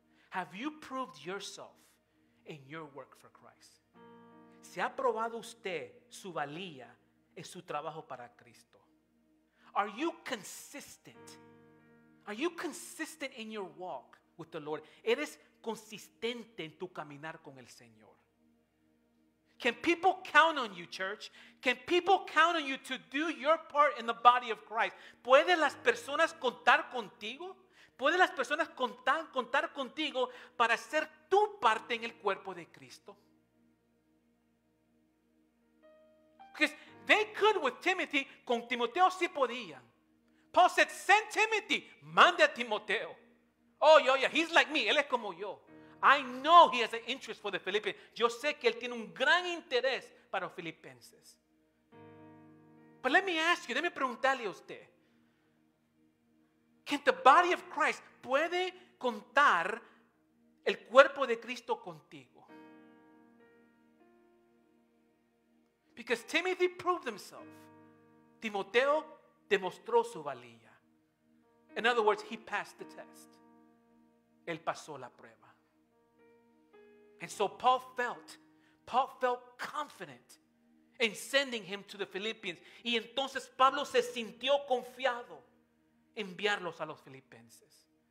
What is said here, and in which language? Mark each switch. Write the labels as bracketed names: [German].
[English] Have you proved yourself in your work for Christ? [Spanish] ¿Se ha probado usted su valía en su trabajo para Cristo? [English] Are you consistent? Are you consistent in your walk with the Lord? [Spanish] ¿Eres consistente en tu caminar con el Señor? [English] Can people count on you, church? Can people count on you to do your part in the body of Christ? [Spanish] ¿Pueden las personas contar contigo? ¿Pueden las personas contar contigo para ser tu parte en el cuerpo de Cristo? [English] Because they could with Timothy, [Spanish] con Timoteo sí podían. [English] Paul said, send Timothy, [Spanish] mande a Timoteo. [English] Oh, yeah, he's like me, [Spanish] él es como yo. [English] I know he has an interest for the Philippians. [Spanish] Yo sé que él tiene un gran interés para los filipenses. [English] But let me ask you, [Spanish] déjeme preguntarle a usted. [English] Can the body of Christ, [Spanish] puede contar el cuerpo de Cristo contigo? [English] Because Timothy proved himself. [Spanish] Timoteo demostró su valía. [English] In other words, he passed the test. [Spanish] Él pasó la prueba. [English] And so Paul felt confident in sending him to the Philippians. [Spanish] Y entonces Pablo se sintió confiado enviarlos a los filipenses.